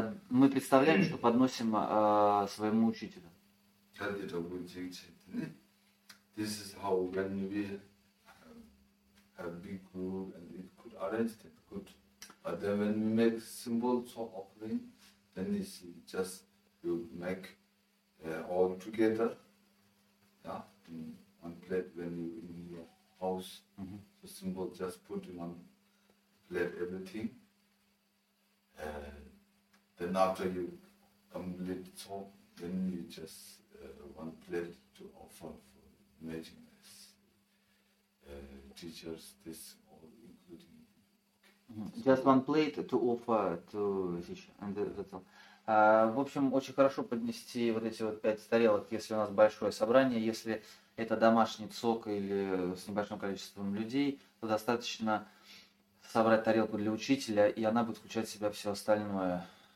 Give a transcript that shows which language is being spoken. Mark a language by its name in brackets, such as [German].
[Russian] Мы представляем, что подносим своему учителю. [English] Tell it about teaching. This is how when we have big group and it could arrange that good. But then when we make simple talk offering, then it's just you make all together. Yeah, in one plate when you in your house. Mm-hmm. So simple just put in one plate everything. Then after you complete the talk, then you just one plate to offer for imagine as teachers, this all including. Okay. Just one plate to offer to teach, and that's all. [Russian] В общем, очень хорошо поднести вот эти вот пять тарелок, если у нас большое собрание, если это домашний цок или с небольшим количеством людей, то достаточно собрать тарелку для учителя, и она будет включать в себя все остальное.